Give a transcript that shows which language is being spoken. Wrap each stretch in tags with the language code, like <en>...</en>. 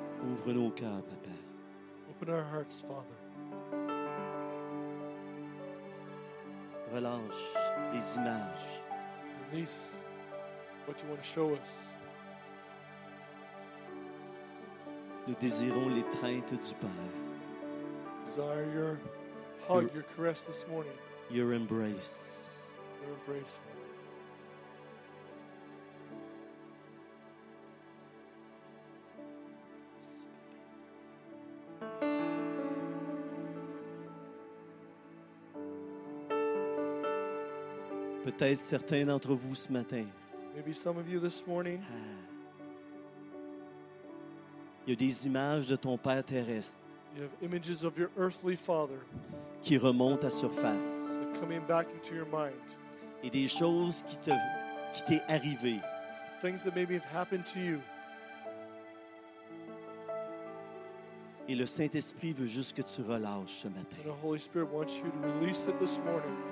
<fr>Ouvre nos cœurs, Papa.</fr> <en>Open our hearts, Father.</en> <fr>Relâche les images.</fr> <en>Release what you want to show us.</en> <fr>Nous désirons l'étreinte du Père.</fr> <en>Desire your hug, your caress this morning. Your embrace. Your embrace.</en> <fr>Peut-être certains d'entre vous ce matin.</fr> <en>Maybe some of you this morning.</en> <fr>Il y a des images de ton Père terrestre.</fr> <en>You have images of your earthly father.</en> <fr>Qui remontent à surface.</fr> <en>They're coming back into your mind.</en> <fr>Et des choses qui t'est arrivées.</fr> <en>Things that maybe have happened to you.</en> <fr>Et le Saint-Esprit veut juste que tu relâches ce matin.</fr> <en>And the Holy Spirit wants you to release it this morning.</en>